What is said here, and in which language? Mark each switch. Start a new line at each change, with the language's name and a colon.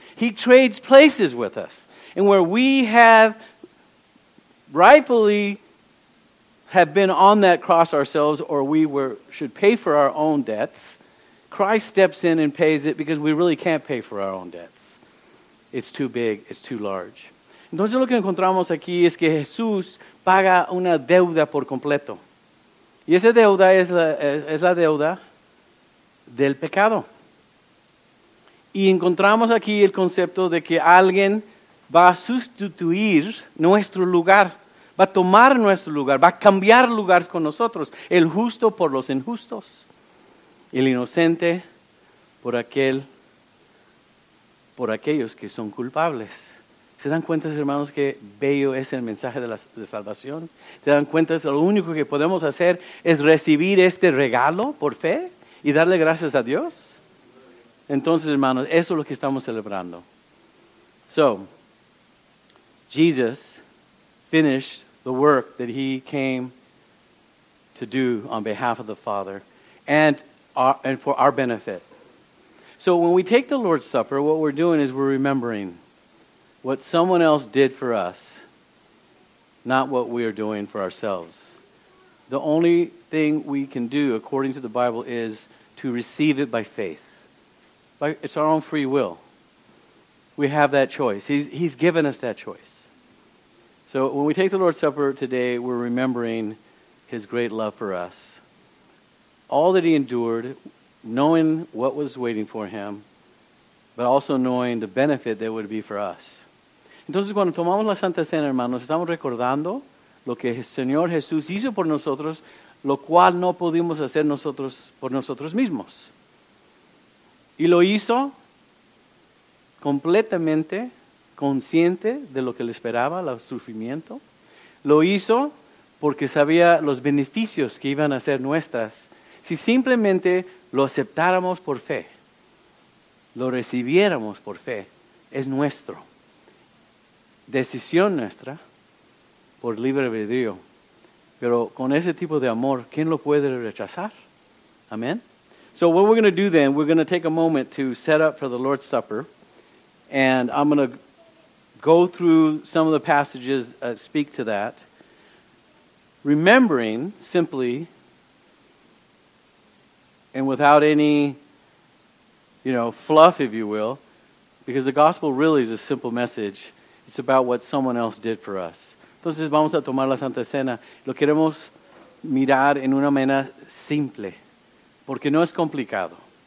English: He trades places with us. And where we have rightfully have been on that cross ourselves, or we were should pay for our own debts, Christ steps in and pays it because we really can't pay for our own debts. It's too big. It's too large.
Spanish: Entonces lo que encontramos aquí es que Jesús paga una deuda por completo. Y esa deuda es la deuda del pecado. Y encontramos aquí el concepto de que alguien va a sustituir nuestro lugar, va a tomar nuestro lugar, va a cambiar lugares con nosotros. El justo por los injustos, el inocente por aquel, por aquellos que son culpables. ¿Se dan cuenta, hermanos, qué bello es el mensaje de salvación? ¿Se dan cuenta que lo único que podemos hacer es recibir este regalo por fe y darle gracias a Dios? Entonces, hermanos, eso es lo que estamos celebrando.
English: So, Jesus finished the work that he came to do on behalf of the Father and for our benefit. So when we take the Lord's Supper, what we're doing is we're remembering what someone else did for us, not what we are doing for ourselves. The only thing we can do, according to the Bible, is to receive it by faith. It's our own free will. We have that choice. He's given us that choice. So when we take the Lord's Supper today, we're remembering his great love for us. All that he endured, knowing what was waiting for him, but also knowing the benefit that would be for us.
Spanish: Entonces, cuando tomamos la Santa Cena, hermanos, estamos recordando lo que el Señor Jesús hizo por nosotros, lo cual no pudimos hacer nosotros por nosotros mismos. Y lo hizo completamente consciente de lo que le esperaba, el sufrimiento. Lo hizo porque sabía los beneficios que iban a ser nuestras si simplemente lo aceptáramos por fe, lo recibiéramos por fe. Es nuestro. Decisión nuestra por libre albedrío. Pero con ese tipo de amor, ¿quién lo puede rechazar? Amén.
English: So what we're going to do then, we're going to take a moment to set up for the Lord's Supper. And I'm going to go through some of the passages that speak to that. Remembering simply and without any, you know, fluff, if you will, because the gospel really is a simple message. It's about what someone else did for us.
Spanish: Entonces vamos a tomar la Santa Cena. Lo queremos mirar en una manera simple, porque no es complicado.